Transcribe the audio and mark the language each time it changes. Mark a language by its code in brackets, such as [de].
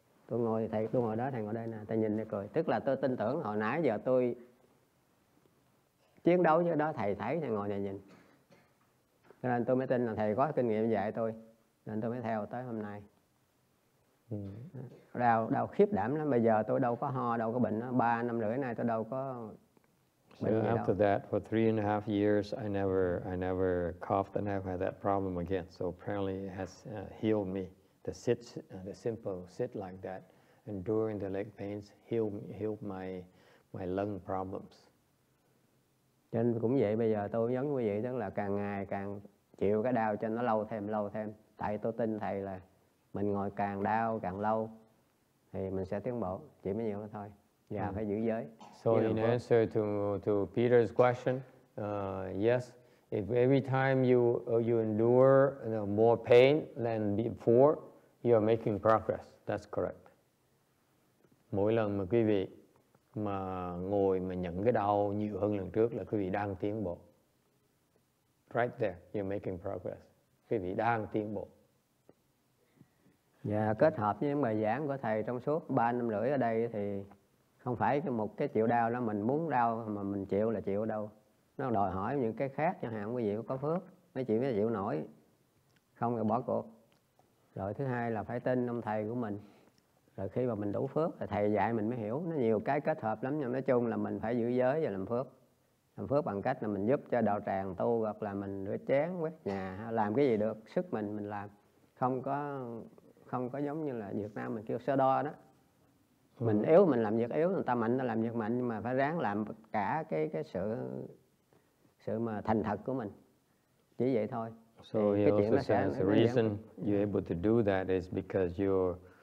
[vi] Tôi ngồi thì thầy, tôi ngồi đó, thầy ngồi đây nè, thầy nhìn thầy cười. Tức là tôi tin tưởng hồi nãy giờ tôi chiến đấu với đó, thầy thấy, thầy ngồi này nhìn. Cho nên tôi mới tin là thầy có kinh nghiệm dạy tôi, nên tôi mới theo tới hôm nay. Đau, đau khiếp đảm lắm. Bây giờ tôi đâu có ho, đâu có bệnh. 3 năm rưỡi nay tôi đâu có bệnh [en] so [vi] gì [en] after [vi] đâu. [en] That, for 3.5 years, I never coughed and never had that problem again. So apparently it has healed me. The simple sit like that, enduring the leg pains, healed my lung problems. [vi] Cho nên cũng vậy, bây giờ tôi giống như vậy, tức là càng ngày càng chịu cái đau cho nó lâu thêm, tại tôi tin thầy là mình ngồi càng đau càng lâu thì mình sẽ tiến bộ, chỉ mới nhiều đó thôi, và phải giữ giới. [en] So in answer to Peter's question, yes, if every time you endure more pain than before, you are making progress, that's correct. [vi] Mỗi lần mà quý vị mà ngồi mà nhận cái đau nhiều hơn lần trước là quý vị đang tiến bộ. [en] Right there, you're making progress. [vi] Quý vị đang tiến bộ. Và kết hợp với những bài giảng của thầy trong suốt 3 năm rưỡi ở đây thì không phải một cái chịu đau đó, mình muốn đau mà mình chịu là chịu đâu. Nó đòi hỏi những cái khác, chẳng hạn quý vị có phước, mấy chị mới chịu nổi, không thì bỏ cuộc. Rồi thứ hai là phải tin ông thầy của mình. Rồi khi mà mình đủ phước thì thầy dạy mình mới hiểu, nó nhiều cái kết hợp lắm, nhưng nói chung là mình phải giữ giới và làm phước. Làm phước bằng cách là mình giúp cho đạo tràng tu, hoặc là mình rửa chén, quét nhà, làm cái gì được, sức mình làm. Không có giống như là Việt Nam mình kêu sơ đo đó. Mình yếu mình làm việc yếu, người ta mạnh ta làm việc mạnh, nhưng mà phải ráng làm cả cái sự mà thành thật của mình. Chỉ vậy thôi. [en] So he also says the reason you're able to do that is because you